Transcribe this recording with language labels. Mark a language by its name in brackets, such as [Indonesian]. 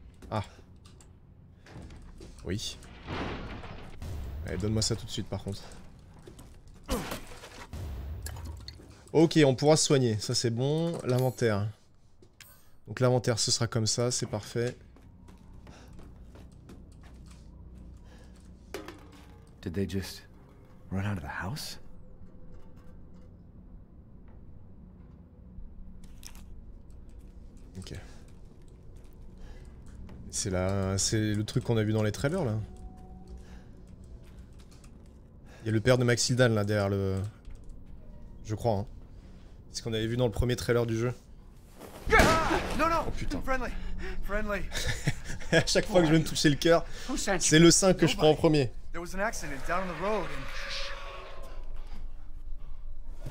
[French] Ah. Oui. Allez, donne-moi ça tout de suite par contre. Ok, on pourra se soigner, ça c'est bon. L'inventaire. Donc l'inventaire ce sera comme ça, c'est parfait. [English] Did they just run out of the house? [French] Ok. C'est là, c'est le truc qu'on a vu dans les trailers là. Il y a le père de Max Hildan là derrière le... Je crois hein. C'est ce qu'on avait vu dans le premier trailer du jeu. Non, non, oh putain. [English] Friendly. Friendly. [French] À chaque fois que je vais me toucher le cœur, c'est le sein que je prends en premier. [English] There was an accident down the road and...